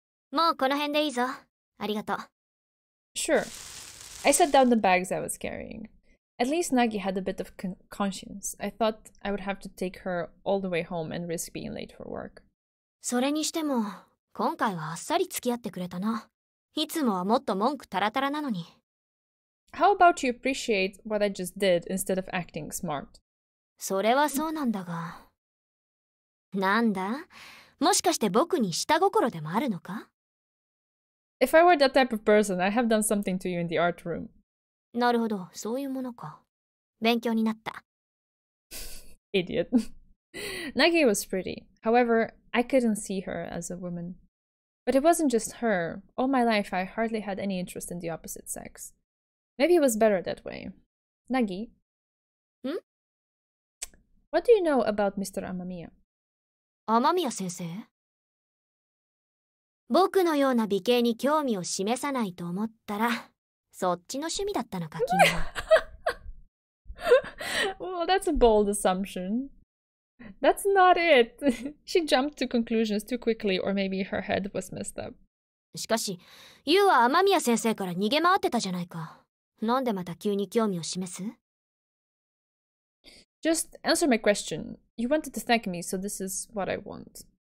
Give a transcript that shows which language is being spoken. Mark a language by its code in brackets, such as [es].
[ja] もうこの辺でいいぞ。ありがとう。 [en] Sure. I set down the bags I was carrying. At least Nagi had a bit of conscience. I thought I would have to take her all the way home and risk being late for work. [ja] それにしても、今回はあっさり付き合ってくれたな。いつもはもっと文句たらたらなのに。 [en] How about you appreciate what I just did instead of acting smart? [ja] それはそうなんだが。なんだ? もしかして僕に下心でもあるのか? [en] If I were that type of person, I'd have done something to you in the art room. [ja] なるほど、そういうものか。勉強になった。 [en] Idiot. Nagi was pretty. However, I couldn't see her as a woman. But it wasn't just her. All my life, I hardly had any interest in the opposite sex. Maybe it was better that way. Nagi? ん? What do you know about Mr. Amamiya? [ja] 天宮先生、僕のような美形に興味を示さないと思ったら、そっちの趣味だったのか、君は。 [en] Well, that's a bold assumption. That's not it. She jumped to conclusions too quickly, or maybe her head was messed up. [ja] しかし、ユウは天宮先生から逃げ回ってたじゃないか。なんでまた急に興味を示す? [en] Just answer my question. You wanted to thank me, so this is what I want.